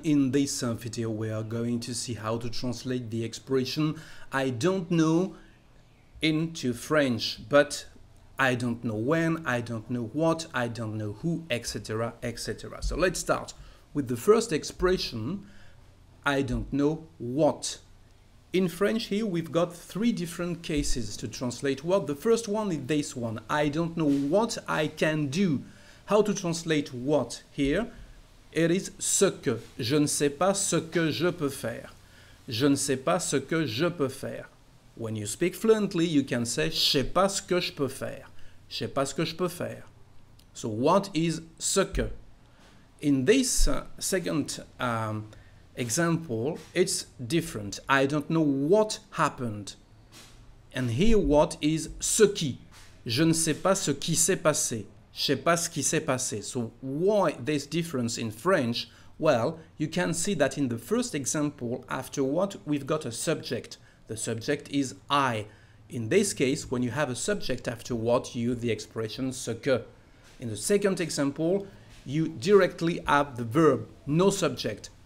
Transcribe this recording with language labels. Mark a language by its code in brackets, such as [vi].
[en] In this video, we are going to see how to translate the expression I don't know into French, but I don't know when, I don't know what, I don't know who, etc., etc. So let's start with the first expression, I don't know what. In French here, we've got three different cases to translate what. The first one is this one, I don't know what I can do. How to translate what here? It is ce que. [fr] Je ne sais pas ce que je peux faire. Je ne sais pas ce que je peux faire. [en] When you speak fluently, you can say [fr] je sais pas ce que je peux faire. Je sais pas ce que je peux faire. [en] So what is ce que? In this second example, it's different. I don't know what happened. And here what is ce qui? [fr] Je ne sais pas ce qui s'est passé. Je sais pas ce qui s'est passé. [en] So why this difference in French? Well, you can see that in the first example, after what, we've got a subject. The subject is I. In this case, when you have a subject after what, you use the expression ce que. In the second example, you directly have the verb, no subject.